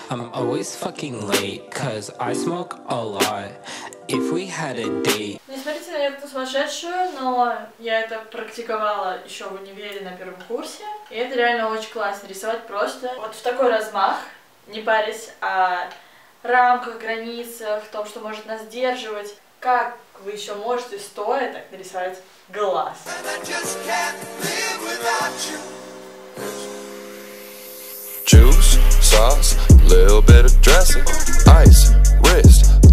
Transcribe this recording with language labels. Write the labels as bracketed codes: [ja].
[en] I'm always fucking late, cause I smoke a lot. If we had a date... [ru] Не смотрите на эту сумасшедшую, но я это практиковала еще в универе на первом курсе. И это реально очень классно, рисовать просто вот в такой размах, не парясь о рамках, границах, том, что может нас сдерживать. Как вы еще можете, стоя, так нарисовать глаз. [en] Juice, sauce, little bit of dressing, ice, wrist.